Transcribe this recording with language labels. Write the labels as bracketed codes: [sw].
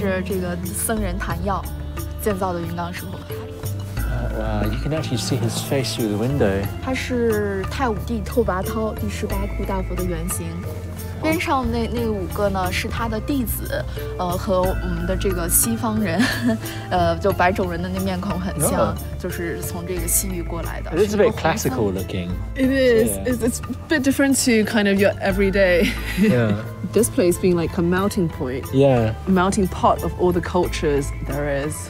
[zh] 云冈的每一尊大佛的原型都是北魏的一位皇帝，这个就是第16窟的大佛拓跋浚，就是建造云冈石窟的那位皇帝，带着这个僧人昙曜建造的云冈石窟。 [en] Wow, you can actually see his face through the window. [zh] 他是太武帝拓跋焘第18窟大佛的原型，边上那五个呢是他的弟子，和我们的这个西方人，就白种人的那面孔很像，就是从这个西域过来的。 [en] It is a bit classical looking. It is. Yeah. It's a bit different to kind of your everyday. Yeah. This place being like a melting point. Yeah. Melting pot of all the cultures there is.